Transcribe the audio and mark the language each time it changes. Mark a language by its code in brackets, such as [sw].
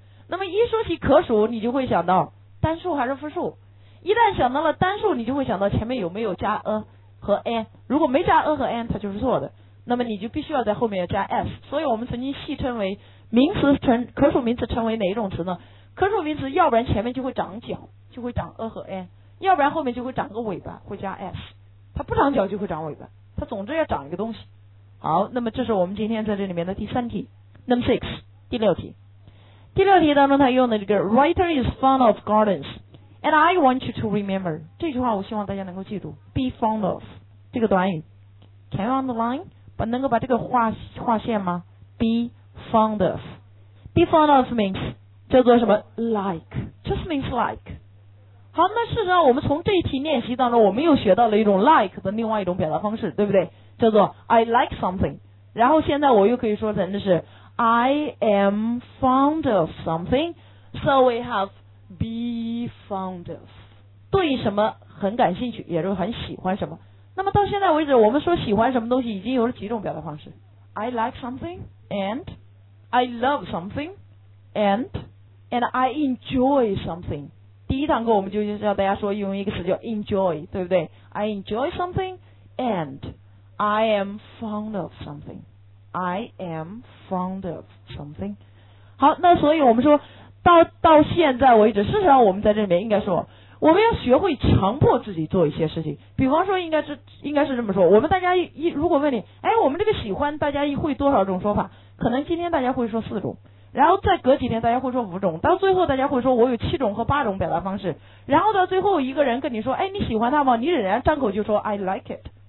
[zh] 那么一说起可数你就会想到单数还是复数，一旦想到了单数你就会想到前面有没有加 a 和 an， 如果没加 a 和 an 它就是错的，那么你就必须要在后面要加 s， 所以我们曾经戏称为名词成可数名词成为哪一种词呢，可数名词要不然前面就会长脚，就会长 a 和 an， 要不然后面就会长个尾巴会加 s， 它不长脚就会长尾巴，它总之要长一个东西。好，那么这是我们今天在这里面的第三题 number six， 第六题，第六题当中他用的这个 [en] writer is fond of gardens and I want you to remember， [zh] 这句话我希望大家能够记住 be fond of 这个短语 [en] can you on the line [zh] 把能够把这个画线吗， be fond of， be fond of means 叫做什么 like， [en] just means like。 [zh] 好，那事实上我们从这一题练习当中我们又学到了一种 like 的另外一种表达方式，对不对，叫做 I like something， 然后现在我又可以说成的是 [en] I am fond of something, so we have be fond of. [zh] 对什么很感兴趣，也就是很喜欢什么。那么到现在为止，我们说喜欢什么东西已经有了几种表达方式。 [en] I like something, and I love something, and I enjoy something. [zh] 第一堂课我们就教大家说用一个词叫 enjoy, 对不对？ [en] I enjoy something, and I am fond of something. I am fond of something. [zh] 好，那所以我们说到现在为止，事实上我们在这里面应该说我们要学会强迫自己做一些事情，比方说应该是这么说，我们大家如果问你，哎，我们这个喜欢大家会多少种说法，可能今天大家会说四种，然后再隔几天大家会说五种，到最后大家会说我有七种和八种表达方式，然后到最后一个人跟你说，哎，你喜欢他吗，你仍然张口就说 [en] I like it，